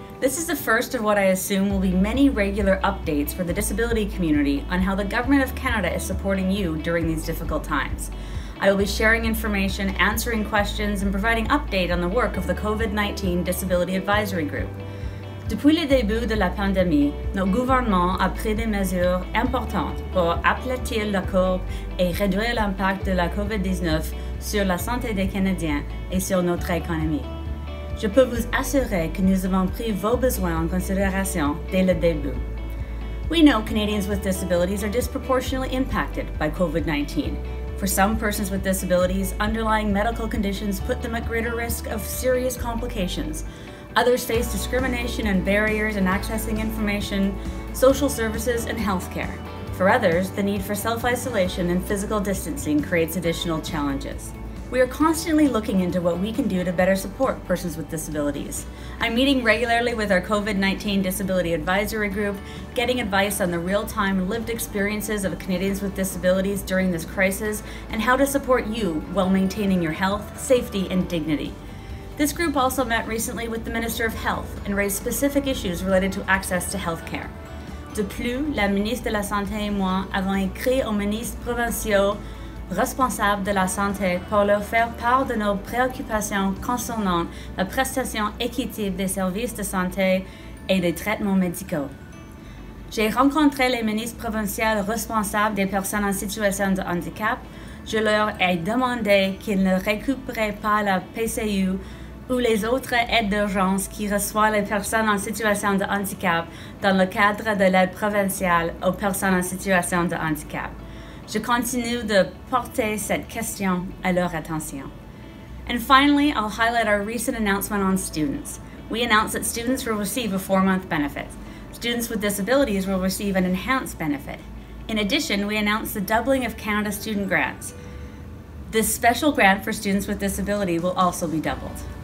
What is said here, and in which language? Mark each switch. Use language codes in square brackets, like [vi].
[en] This is the first of what I assume will be many regular updates for the disability community on how the Government of Canada is supporting you during these difficult times. I will be sharing information, answering questions, and providing update on the work of the COVID-19 Disability Advisory Group. [fr] Depuis le début de la pandémie, notre gouvernement a pris des mesures importantes pour aplatir la courbe et réduire l'impact de la COVID-19 sur la santé des Canadiens et sur notre économie. Je peux vous assurer que nous avons pris vos besoins en considération dès le début. [en] We know Canadians with disabilities are disproportionately impacted by COVID-19. For some persons with disabilities, underlying medical conditions put them at greater risk of serious complications. Others face discrimination and barriers in accessing information, social services, and healthcare. For others, the need for self-isolation and physical distancing creates additional challenges. We are constantly looking into what we can do to better support persons with disabilities. I'm meeting regularly with our COVID-19 Disability Advisory Group, getting advice on the real-time lived experiences of Canadians with disabilities during this crisis, and how to support you while maintaining your health, safety, and dignity. This group also met recently with the Minister of Health and raised specific issues related to access to healthcare. [fr] De plus, la ministre de la Santé et moi avons écrit au ministre provincial responsable de la santé pour leur faire part de nos préoccupations concernant la prestation équitable des services de santé et des traitements médicaux. J'ai rencontré les ministres provinciaux responsables des personnes en situation de handicap. Je leur ai demandé qu'ils ne récupéraient pas la PCU ou les autres aides d'urgence qui reçoivent les personnes en situation de handicap dans le cadre de l'aide provinciale aux personnes en situation de handicap. Je continue de porter cette question à leur attention. [en] And finally, I'll highlight our recent announcement on students. We announced that students will receive a 4-month benefit. Students with disabilities will receive an enhanced benefit. In addition, we announced the doubling of Canada student grants. This special grant for students with disability will also be doubled.